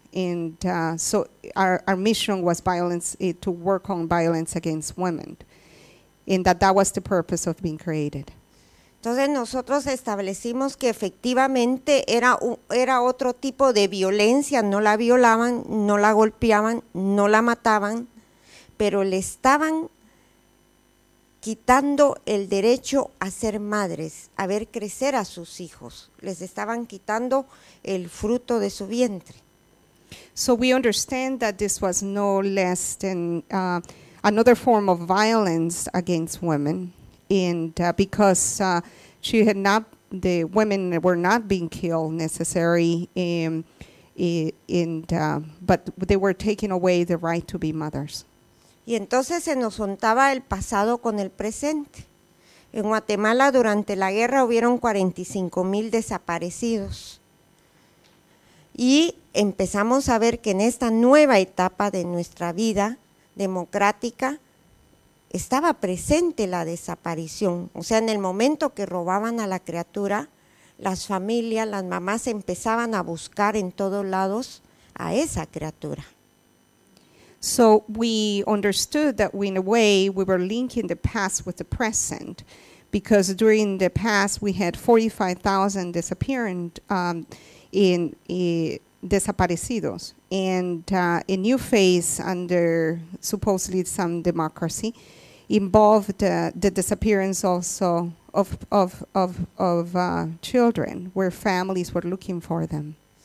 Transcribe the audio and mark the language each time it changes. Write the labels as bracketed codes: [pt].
[en] And so our mission was to work on violence against women, and that was the purpose of being created. [es] Entonces nosotros establecimos que efectivamente era otro tipo de violencia, no la violaban, no la golpeaban, no la mataban, pero le estaban quitando el derecho a ser madres, a ver crecer a sus hijos, les estaban quitando el fruto de su vientre. [en] So we understand that this was no less than another form of violence against women. And because she had not, the women were not being killed necessarily, but they were taking away the right to be mothers. [es] Y entonces se nos juntaba el pasado con el presente. En Guatemala durante la guerra hubieron 45,000 desaparecidos. Y empezamos a ver que en esta nueva etapa de nuestra vida democrática, estaba presente la desaparición. O sea, en el momento que robaban a la criatura, las familias, las mamás empezaban a buscar en todos lados a esa criatura. [en] So we understood that in a way we were linking the past with the present, because during the past we had 45,000 desaparecidos, and a new phase under supposedly some democracy involved the disappearance also of children, where families were looking for them.